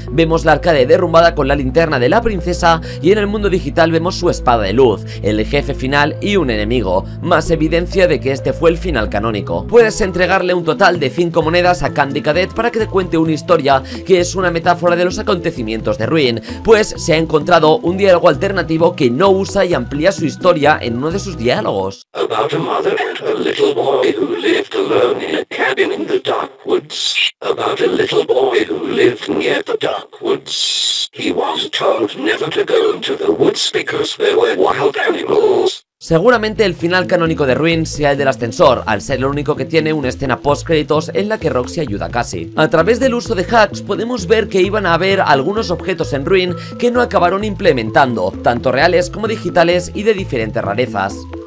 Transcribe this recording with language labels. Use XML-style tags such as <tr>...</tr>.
<es>Vemos la arcade derrumbada con la linterna de la princesa, y en el mundo digital vemos su espada de luz, el jefe final y un enemigo. Más evidencia de que este fue el final canónico. Puedes entregarle un total de 5 monedas a Candy Cadet para que te cuente una historia que es una metáfora de los acontecimientos de Ruin, pues se ha encontrado un diálogo alternativo que no usa y amplía su historia en uno de sus diálogos.</es> <en>About a mother and her little boy who lived alone in a cabin in the dark woods. About a little boy who lived near the dark woods. He was told never to go into the woods because there were wild animals.</en> <es>Seguramente el final canónico de Ruin sea el del ascensor, al ser el único que tiene una escena post-créditos en la que Roxy ayuda a Cassie. A través del uso de hacks podemos ver que iban a haber algunos objetos en Ruin que no acabaron implementando, tanto reales como digitales y de diferentes rarezas.</es>